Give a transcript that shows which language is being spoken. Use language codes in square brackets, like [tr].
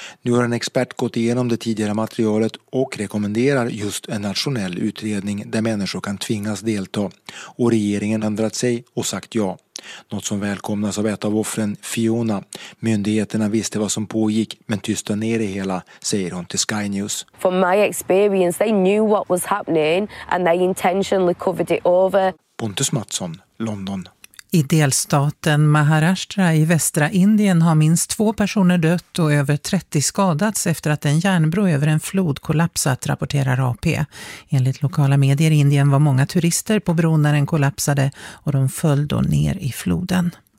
[sv] Nu har en expert gått igenom det tidigare materialet och rekommenderar just en nationell utredning där människor kan tvingas delta. Och regeringen ändrat sig och sagt ja. Något som välkomnas av ett av offren, Fiona. Myndigheterna visste vad som pågick men tystade ner det hela, säger hon till Sky News. [en] From my experience, they knew what was happening and they intentionally covered it over. [sv] Pontus Mattsson, London. I delstaten Maharashtra i västra Indien har minst 2 personer dött och över 30 skadats efter att en järnbro över en flod kollapsat, rapporterar AP. Enligt lokala medier i Indien var många turister på bron när den kollapsade och de föll då ner i floden.